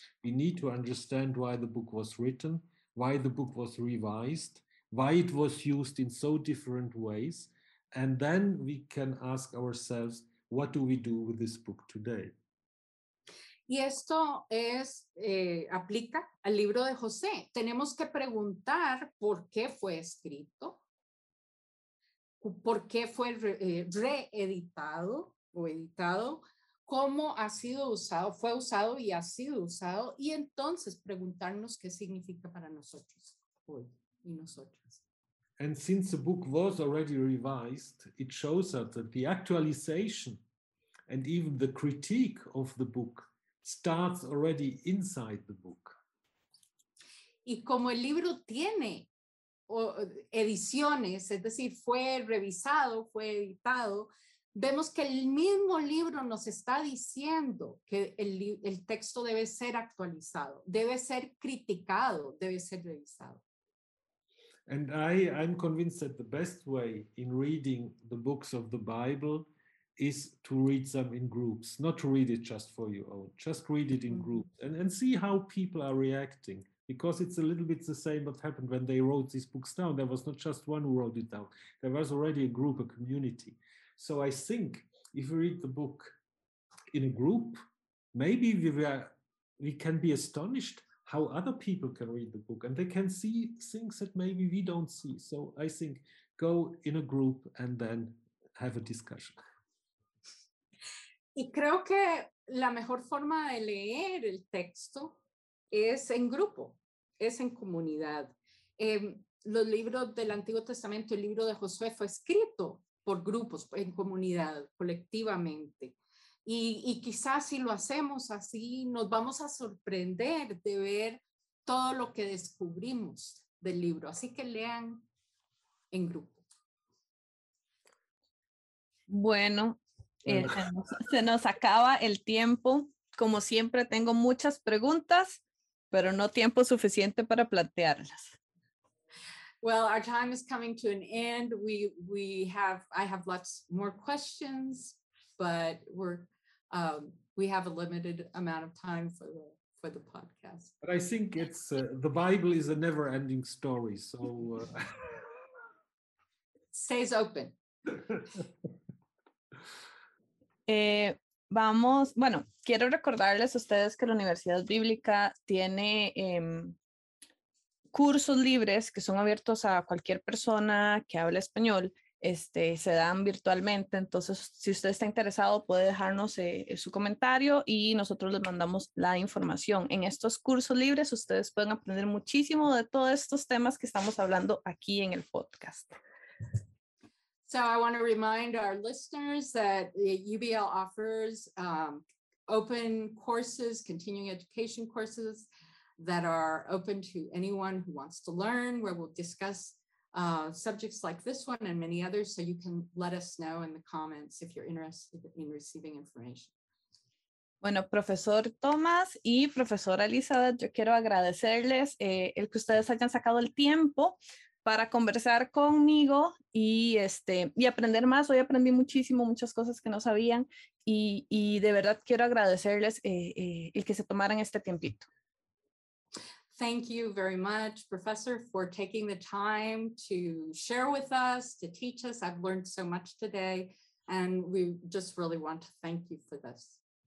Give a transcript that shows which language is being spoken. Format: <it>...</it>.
<en>We need to understand why the book was written, why the book was revised, why it was used in so different ways. And then we can ask ourselves, what do we do with this book today?</en> <es>Y esto es, aplica al libro de José. Tenemos que preguntar por qué fue escrito, por qué fue reeditado o editado, cómo ha sido usado, fue usado y ha sido usado, y entonces preguntarnos qué significa para nosotros hoy y nosotras.</es> <en>And since the book was already revised, it shows us that the actualization and even the critique of the book starts already inside the book.</en> <es>Y como el libro tiene ediciones, es decir, fue revisado, fue editado, vemos que el mismo libro nos está diciendo que el texto debe ser actualizado, debe ser criticado, debe ser revisado.</es> <en>And I'm convinced that the best way in reading the books of the Bible is to read them in groups, not to read it just for your own, just read it in groups and see how people are reacting, because it's a little bit the same what happened when they wrote these books down. There was not just one who wrote it down. There was already a group, a community. So I think if we read the book in a group, maybe we can be astonished how other people can read the book, and they can see things that maybe we don't see. So I think go in a group and then have a discussion.</en> <es>Y creo que la mejor forma de leer el texto es en grupo, es en comunidad. Los libros del Antiguo Testamento, el libro de Josué fue escrito por grupos, en comunidad, colectivamente. Y quizás si lo hacemos así, nos vamos a sorprender de ver todo lo que descubrimos del libro. Así que lean en grupo. Bueno, se nos acaba el tiempo. Como siempre, tengo muchas preguntas, pero no tiempo suficiente para plantearlas.</es> <en>Well, our time is coming to an end. I have lots more questions, but we have a limited amount of time for the podcast. But I think it's the Bible is a never-ending story, so stays open.</en> <es>Vamos, bueno, quiero recordarles a ustedes que la Universidad Bíblica tiene cursos libres que son abiertos a cualquier persona que hable español. Se dan virtualmente, entonces si usted está interesado puede dejarnos su comentario y nosotros les mandamos la información. En estos cursos libres ustedes pueden aprender muchísimo de todos estos temas que estamos hablando aquí en el podcast.</es> <en>So I want to remind our listeners that UBL offers open courses, continuing education courses that are open to anyone who wants to learn, where we'll discuss subjects like this one and many others, so you can let us know in the comments if you're interested in receiving information.</en> <es>Bueno, profesor Tomás y profesora Elizabeth, yo quiero agradecerles el que ustedes hayan sacado el tiempo para conversar conmigo y aprender más. Hoy aprendí muchísimo, muchas cosas que no sabían, y de verdad quiero agradecerles el que se tomaran este tiempito.</es> <en>Thank you very much, Professor, for taking the time to share with us, to teach us. I've learned so much today, and we just really want to thank you for this.</en>